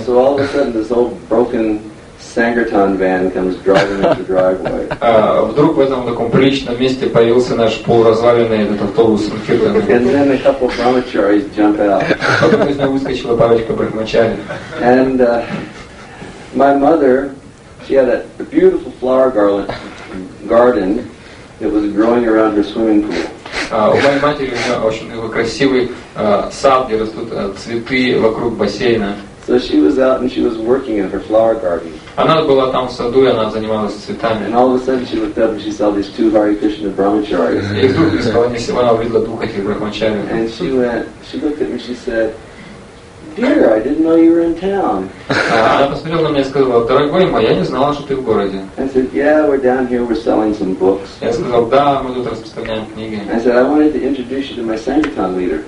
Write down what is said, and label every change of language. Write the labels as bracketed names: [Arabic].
[English] So all of a sudden, this old broken Sangirtan van comes driving into the driveway. [Russian] Вдруг в этом таком приличном месте появился наш полуразваленный этот автобус. [English] And then a couple of brahmacharis jump out. [Russian] Потом из него выскочила парочка брахмачари. [English] And my mother, she had a beautiful flower garland garden. It was growing around her swimming pool. [Russian] У моей матери очень красивый сад, где растут цветы вокруг бассейна. [English] So she was out and she was working in her flower garden. [Russian] Она была там в саду и она занималась цветами. [English] And all of a sudden she looked up and she saw these two Hare Krishna brahmacharis. [Russian] И вдруг она увидела двух этих брахмачари. [English] And she looked at me and she said, dear, I didn't know you were in town. I said, yeah, we're down here, we're selling some books. I said, I wanted to introduce you to my Sankirtan leader.